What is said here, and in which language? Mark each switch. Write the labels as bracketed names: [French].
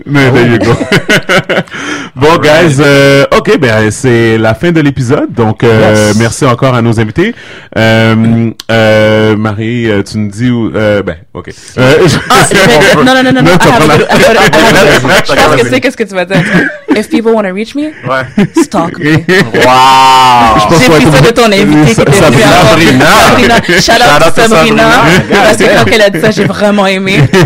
[English] Mais there you go. Bon, right. [French] Guys, OK, ben c'est la fin de l'épisode, donc merci encore à nos invités. Marie, tu me dis où... OK. Non, je pense que c'est qu'est-ce que tu vas dire. [English] If people want to reach me, stalk me. Wow! [French] J'ai fait ça de ton invité qui était venu à Sabrina. [English] Shout out to Sabrina. [French] Parce que quand elle a dit ça, j'ai vraiment aimé.